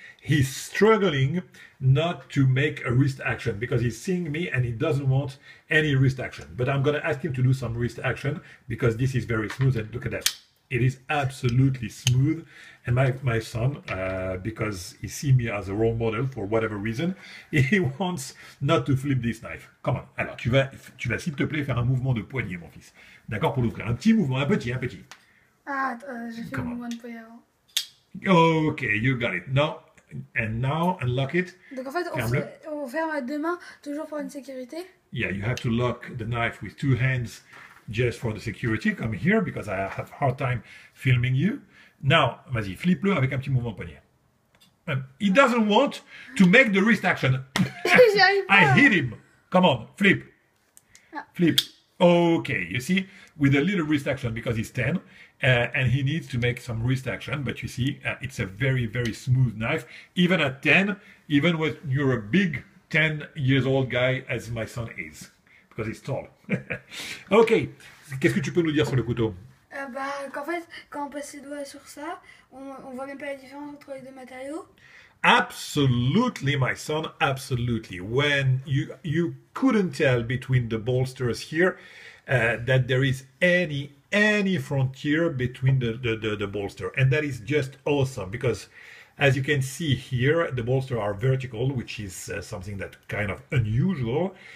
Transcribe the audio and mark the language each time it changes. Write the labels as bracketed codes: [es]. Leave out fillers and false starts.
[en] He's struggling not to make a wrist action because he's seeing me and he doesn't want any wrist action. But I'm going to ask him to do some wrist action because this is very smooth. And look at that. It is absolutely smooth. And my son, because he sees me as a role model for whatever reason, he wants not to flip this knife. Come on. [fr] Alors, tu vas s'il te plaît faire un mouvement de poignet, mon fils. D'accord, pour l'ouvrir. Un petit mouvement, un petit. J'ai fait un mouvement de poignet avant. Okay, you got it. [en] Now, and now unlock it. [fr] Donc en fait, on ferme à deux mains, toujours pour une sécurité. [en] Yeah, you have to lock the knife with two hands just for the security. Come here, because I have a hard time filming you. [fr] Now, vas-y, flippe-le avec un petit mouvement de poignet. [en] He doesn't want to make the wrist action. [fr] J'y arrive pas. [en] I hit him. Come on, flip. Flip. Okay, you see, with a little wrist action, because he's 10, and he needs to make some wrist action, but you see, it's a very, very smooth knife. Even at 10, even when you're a big 10-year-old guy, as my son is, because he's tall. [fr] Okay, qu'est-ce que tu peux nous dire sur le couteau? Qu'en fait, quand on passe les doigts sur ça, on voit même pas la différence entre les deux matériaux. [en] Absolutely, my son, absolutely. When you couldn't tell between the bolsters here that there is any frontier between the bolster. And that is just awesome, because as you can see here, the bolsters are vertical, which is something that kind of unusual.